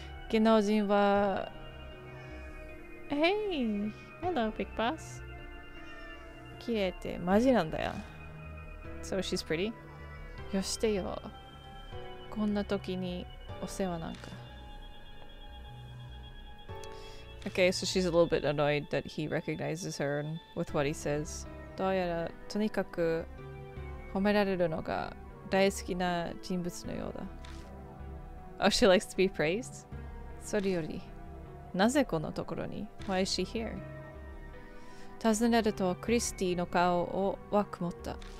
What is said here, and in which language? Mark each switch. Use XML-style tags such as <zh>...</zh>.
<ja>芸能人は…</ja> <en>Hey! Hello, Big Boss.</en> <ja>綺麗ってマジなんだよ。</ja> <en>So she's pretty?</en> <ja>よしてよ。こんな時にお世話なんか。</ja> <en>Okay, so she's a little bit annoyed that he recognizes her and with what he says.</en> <ja>どうやらとにかく褒められるのが大好きな人物のようだ。</ja> <en>Oh, she likes to be praised?</en> <ja>それより、なぜこのところに?</ja> <en>Why is she here?</en> <ja>尋ねるとクリスティの顔をは曇った。</ja>